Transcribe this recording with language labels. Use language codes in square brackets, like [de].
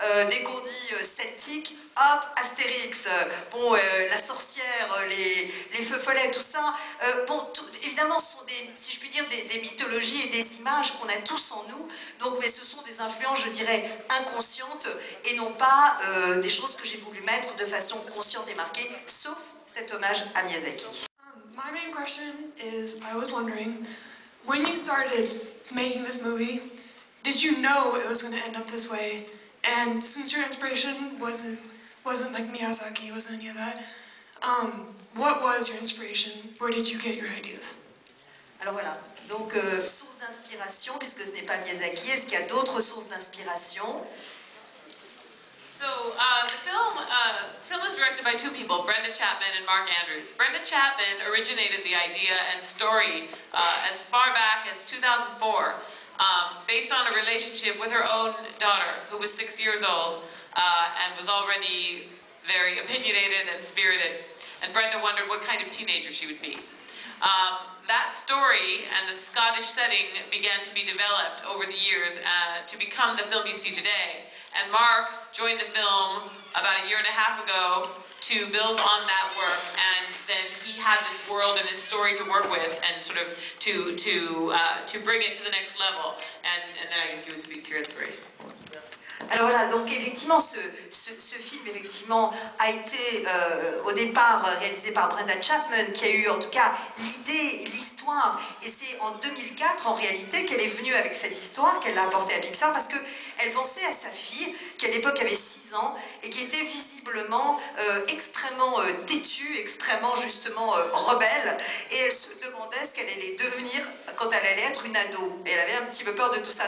[fr] Dès qu'on dit celtique, hop, Astérix. Bon, la sorcière, les feux follets, tout ça. Évidemment, ce sont des, si je puis dire, des mythologies et des images qu'on a tous en nous. Donc, mais ce sont des influences, je dirais, inconscientes et non pas des choses que j'ai voulu mettre de façon consciente et marquée, sauf cet hommage à Miyazaki. [en] My main question is, I was wondering, when you started making this movie, did you know it was going to end up this way? And since your inspiration wasn't like Miyazaki, wasn't any of that, what was your inspiration? Where did you get your ideas? [fr] Alors voilà, donc source d'inspiration, puisque ce n'est pas Miyazaki, est-ce qu'il y a d'autres sources d'inspiration? [en] So, the film was directed by two people, Brenda Chapman and Mark Andrews. Brenda Chapman originated the idea and story as far back as 2004. Based on a relationship with her own daughter, who was 6 years old and was already very opinionated and spirited. And Brenda wondered what kind of teenager she would be. That story and the Scottish setting began to be developed over the years to become the film you see today. And Mark joined the film about a year and a half ago to build on that work, and then he had this world and this story to work with and sort of to bring it to the next level. And then I guess you would speak to your inspiration. [fr] Alors voilà, donc effectivement, ce film effectivement a été au départ réalisé par Brenda Chapman, qui a eu en tout cas l'idée, l'histoire, et c'est en 2004 en réalité qu'elle est venue avec cette histoire, qu'elle l'a apportée à Pixar, parce qu'elle pensait à sa fille, qui à l'époque avait 6 ans, et qui était visiblement extrêmement têtue, extrêmement justement rebelle, et elle se demandait ce qu'elle allait devenir quand elle allait être une ado, et elle avait un petit peu peur de tout ça.